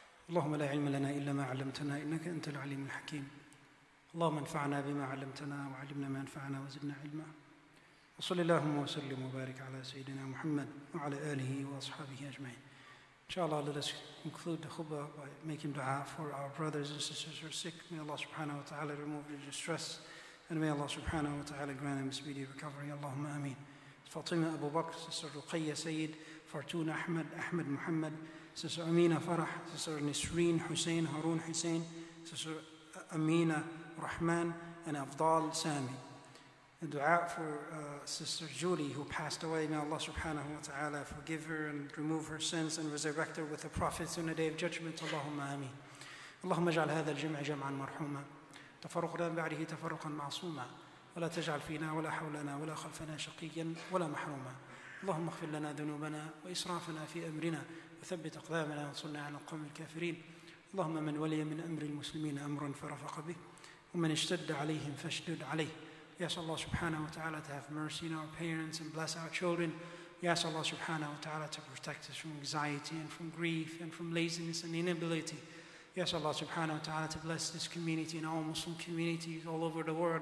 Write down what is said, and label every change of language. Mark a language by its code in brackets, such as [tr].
[ar] اللهم لا علم لنا إلا ما علمتنا إنك أنت العليم الحكيم اللهم انفعنا بما علمتنا وعلمنا ما انفعنا وزدنا علما وصل اللهم وسلم وبارك على سيدنا محمد وعلى آله وأصحابه أجمعين. إن شاء الله, [en] let us conclude the khutbah by making dua for our brothers and sisters who are sick. May Allah subhanahu wa ta'ala remove their distress, and may Allah subhanahu wa ta'ala grant them speedy recovery. [ar] اللهم آمين. [en] Fatima Abu Bakr, Sister Ruqayya Sayyid, Fortuna Ahmed, Ahmed Muhammad, Sister Amina Farah, Sister Nisreen Hussein, Harun Hussein, Sister Amina Rahman, and Afdal Sami. A dua for Sister Julie, who passed away. May Allah subhanahu wa ta'ala forgive her and remove her sins and resurrect her with the prophets on the day of judgment. [ar] Allahumma ameen. Allahumma ja'al hadha al-jum'a jam'an marhuma. Tafarruqna ba'dihi tafarruqan ma'asuma. ولا تجعل فينا ولا حولنا ولا خلفنا شقيا ولا محروما. اللهم اغفر لنا ذنوبنا وإسرافنا في أمرنا وثبت أقدامنا وانصرنا على القوم الكافرين. اللهم من ولي من أمر المسلمين أمرا فرفق به ومن اشتد عليهم فاشدد عليه. [en] We ask Allah subhanahu wa ta'ala to have mercy on our parents and bless our children. We ask Allah subhanahu wa ta'ala to protect us from anxiety and from grief and from laziness and inability. We ask Allah subhanahu wa ta'ala to bless this community and all Muslim communities all over the world.